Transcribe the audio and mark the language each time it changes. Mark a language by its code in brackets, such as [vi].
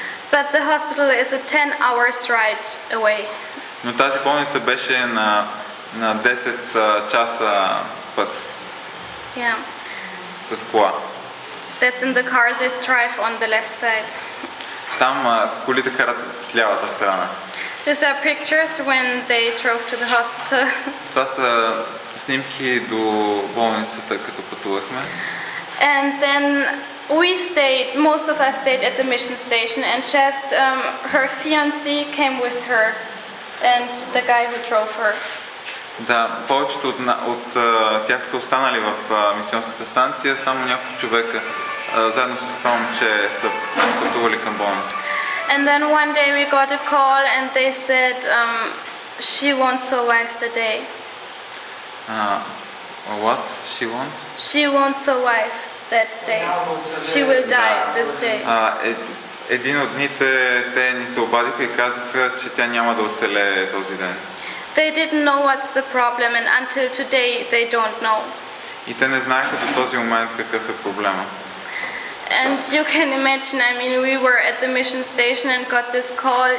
[en] But the hospital is a 10 hours ride away. [bg] Но тази болница беше на 10 часа път. [en] Yeah. [bg] С кола. [en] That's in the car that drive on the left side. [bg] Там колите карат от лявата страна. [en] These are pictures when they drove to the hospital. [bg] Това са снимки до болницата, като пътувахме. [en] And then we stayed, most of us stayed at the mission station, and just her fiancé came with her and the guy who drove her. [bg] Да, повечето от тях са останали в мисионската станция, само няколко човека заедно с това момче са пътували към болницата. [en] And then one day we got a call and they said she won't survive the day. What? She won't? She won't survive that day. She will die this day. [bg] Един от дните те ни се обадиха и казаха, че тя няма да оцелее този ден. [en] They didn't know what's the problem and until today they don't know. [bg] И те не знаеха до този момент какъв е проблема. [en] And you can imagine, I mean, we were at the mission station and got this call.